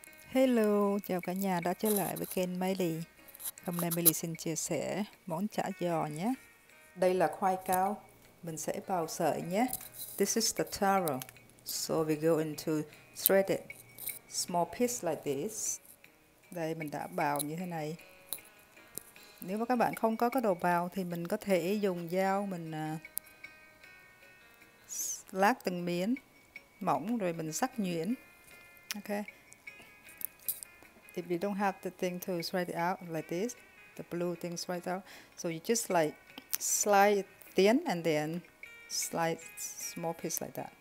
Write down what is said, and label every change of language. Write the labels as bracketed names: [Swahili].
[Vietnamese] Hello, chào cả nhà đã trở lại với kênh Miley. Hôm nay Miley xin chia sẻ món chả giò nhé. Đây là khoai cao. Mình sẽ bào sợi nhé. [English] This is the taro. So we go into shredded small piece like this. [Vietnamese] Đây mình đã bào như thế này. Nếu mà các bạn không có cái đồ bào thì mình có thể dùng dao mình lát từng miếng mỏng rồi mình sắc nhuyễn. [English] Ok. If you don't have the thing to shred it out like this, the blue thing shred out, so you just like slice it thin and then slice small piece like that.